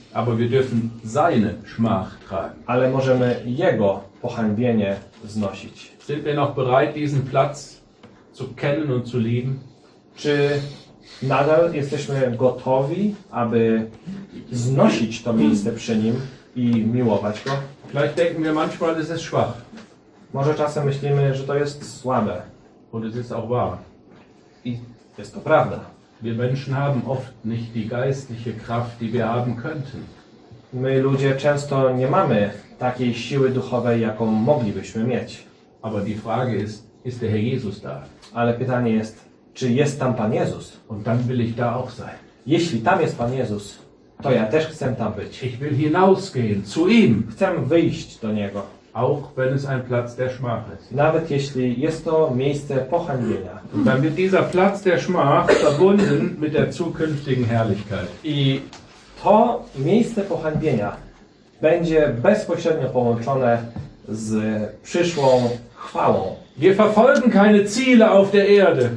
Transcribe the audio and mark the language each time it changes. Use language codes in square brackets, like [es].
[de] Aber wir dürfen seine Schmach tragen. [pl] Ale możemy Jego pohańbienie znosić. [de] Sind wir noch bereit, diesen Platz zu kennen und zu lieben? [pl] Czy nadal jesteśmy gotowi, aby znosić to miejsce przy nim i miłować go? [de] Vielleicht denken wir manchmal, es ist schwach. [pl] Może czasem myślimy, że to jest słabe. [de] Und es ist auch wahr. [pl] I jest to prawda. [de] Wir Menschen haben oft nicht die geistliche Kraft, die wir haben könnten. [pl] My ludzie często nie mamy takiej siły duchowej, jaką moglibyśmy mieć. [de] Aber die Frage ist, ist der Herr Jesus da? [pl] Ale pytanie jest, czy jest tam Pan Jezus? [de] Und dann will ich da auch sein. [pl] Jeśli tam jest Pan Jezus, to ja też chcę tam być. [de] Ich will hinausgehen zu ihm. [pl] Chcę wyjść do Niego. [de] Auch wenn es ein Platz der Schmach ist. [pl] Nawet jeśli jest to miejsce pohańbienia. [de] Und dann wird dieser Platz der Schmach verbunden mit der zukünftigen Herrlichkeit. [pl] I to miejsce pohańbienia będzie bezpośrednio połączone z przyszłą chwałą. [de] Wir verfolgen keine Ziele auf der Erde.